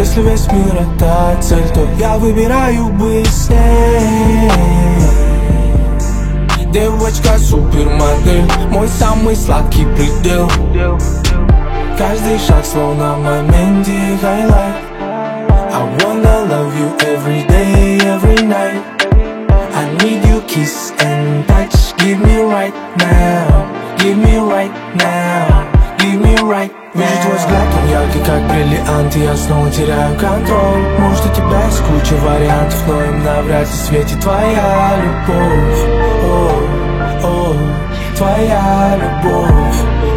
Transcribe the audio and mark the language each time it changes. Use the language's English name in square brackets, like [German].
[Russian] Если весь мир это цель, то я выбираю быстрее. Девочка супермодель. Мой самый сладкий предел. Каждый шаг словно момент и highlight. [English] I wanna love you every day, every night. I need you kiss and touch. Give me right now, give me right now, give me right now. [Russian] Вижу твой взгляд, он яркий, как бриллиант. Я снова теряю контроль. Может, у тебя есть куча вариантов, но им навряд ли светит твоя любовь. Oh, oh, твоя любовь.